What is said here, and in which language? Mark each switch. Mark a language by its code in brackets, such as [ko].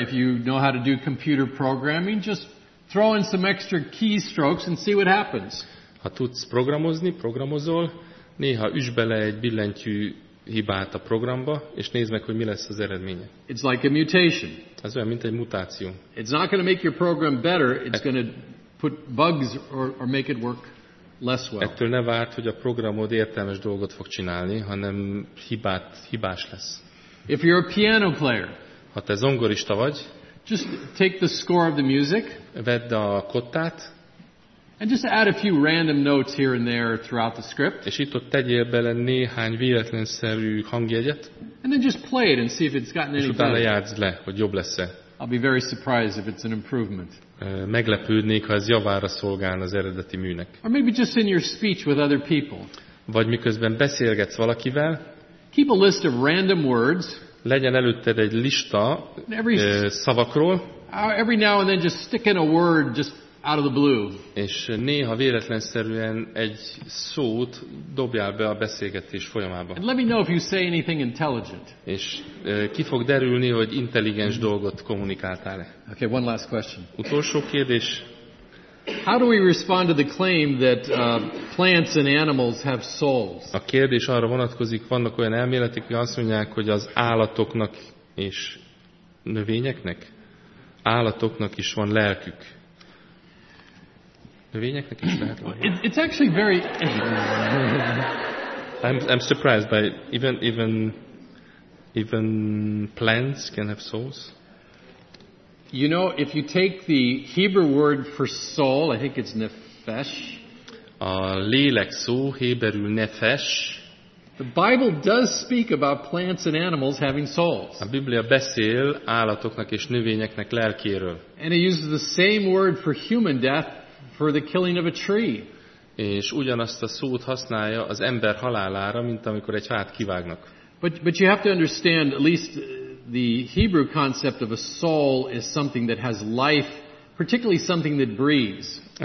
[en] If you know how to do computer programming, just throw in some extra keystrokes and see what happens. [hu] Ha tudsz programozni, programozol, néha üss bele egy billentyű hibát a programba, és nézd meg, hogy mi lesz az eredménye. [en] It's like a mutation. [hu] Ez olyan, mint egy mutáció. [en] It's not going to make your program better, it's going to put bugs or make it work less well. [hu] Ettől ne várd, hogy a programod értelmes dolgot fog csinálni, hanem hibás lesz. [en] If you're a piano player, [hu] ha te zongorista vagy, [en] just take the score of the music, [hu] vedd a kottát, [en] and just add a few random notes here and there throughout the script, [hu] és itt ott tegyél bele néhány véletlenszerű hangjegyet, [en] and then just play it and see if it's gotten any better. [hu] És utána játsz le, hogy jobb lesz-e. [en] I'll be very surprised if it's an improvement. [hu] Meglepődnék, ha ez javára szolgál az eredeti műnek. [en] Or maybe just in your speech with other people. [hu] Vagy miközben beszélgetsz valakivel. [en] Keep a list of random words. [hu] Legyen előtted egy lista szavakról. [en] Every now and then just stick in a word just out of the blue. [hu] És néha véletlenszerűen egy szót dobjál be a beszélgetés folyamába. [en] And let me know if you say anything intelligent. [hu] És ki fog derülni, hogy intelligens dolgot kommunikáltál-e. [en] Okay, one last question. [hu] Utolsó kérdés. [en] How do we respond to the claim that plants and animals have souls? [hu] A kérdés arra vonatkozik, vannak olyan elméletek, hogy azt mondják, hogy az állatoknak és növényeknek, állatoknak is van lelkük. Növényeknek is lehet. [en] It's actually very. I'm surprised by even plants can have souls. You know, if you take the Hebrew word for soul, I think it's nefesh. [hu] A lélek szó, héberül nefesh. [en] The Bible does speak about plants and animals having souls. [hu] A Biblia beszél állatoknak és növényeknek lelkéről. [en] And it uses the same word for human death for the killing of a tree. [hu] És ugyanazt a szót használja az ember halálára, mint amikor egy fát kivágnak. [en] But you have to understand at least the Hebrew concept of a soul is something that has life, particularly something that breathes.